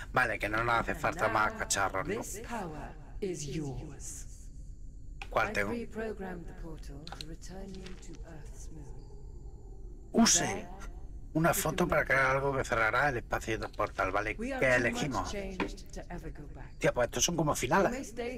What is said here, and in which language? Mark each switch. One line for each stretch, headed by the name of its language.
Spanish: Vale, que no nos hace falta más cacharros, ¿no?
English: This power is yours.
Spanish: ¿Cuál tengo?
English: I've reprogrammed the portal to return you to Earth's moon.
Spanish: Use una foto para crear algo que cerrará el espacio del portal, ¿vale? ¿Qué elegimos? Tío, pues estos son como finales.